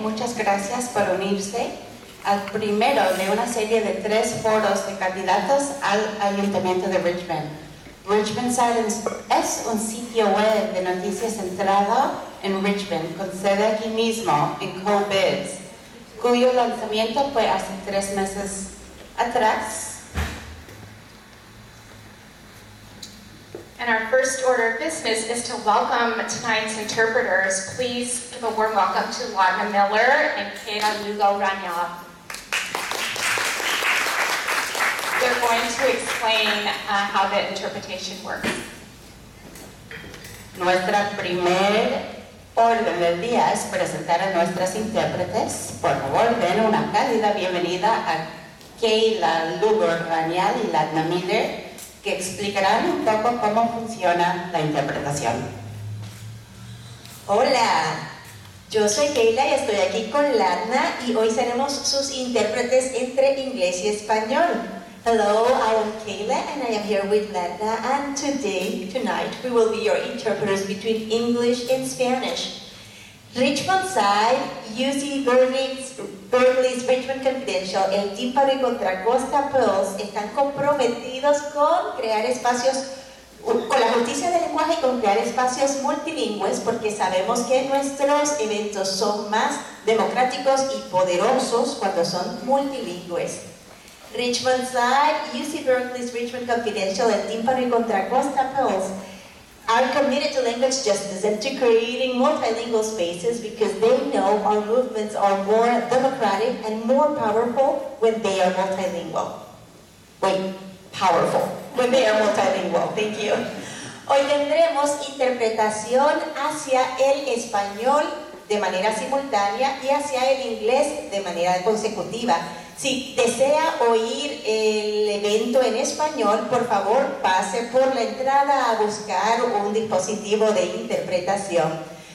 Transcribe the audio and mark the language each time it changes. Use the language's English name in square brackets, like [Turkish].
[Spanish] Muchas gracias por unirse al primero de una serie de tres foros de candidatos al Ayuntamiento de Richmond. Richmondside es un sitio web de noticias centrado en Richmond, con sede aquí mismo, en CoBiz, cuyo lanzamiento fue hace 3 meses atrás. [English] And our first order of business is to welcome tonight's interpreters. Please give a warm welcome to Lana Miller and Kayla Lugo-Rania. They're going to explain how the interpretation works. [Spanish] Nuestra primer orden del día es presentar a nuestras intérpretes. Por favor, den una cálida bienvenida a Kayla Lugo-Rania y Lana Miller, que explicarán un poco cómo funciona la interpretación. Hola, yo soy Kayla y estoy aquí con Ladna y hoy seremos sus intérpretes entre inglés y español. [English] Hello, I'm Kayla and I am here with Ladna and tonight we will be your interpreters between English and Spanish. [Spanish] Richmondside, UC Berkeley's Richmond Confidential, el Timpano y Contra Costa Pearls están comprometidos con crear espacios, con la justicia del lenguaje y con crear espacios multilingües porque sabemos que nuestros eventos son más democráticos y poderosos cuando son multilingües. [English] Richmondside, UC Berkeley's Richmond Confidential, el Timpano y Contra Costa Pearls are committed to language justice and to creating multilingual spaces because they know our movements are more democratic and more powerful when they are multilingual. Thank you. [Spanish] Hoy tendremos interpretación hacia el español de manera simultánea y hacia el inglés de manera consecutiva. Si desea oír el evento en español, por favor, pase por la entrada a buscar un dispositivo de interpretación.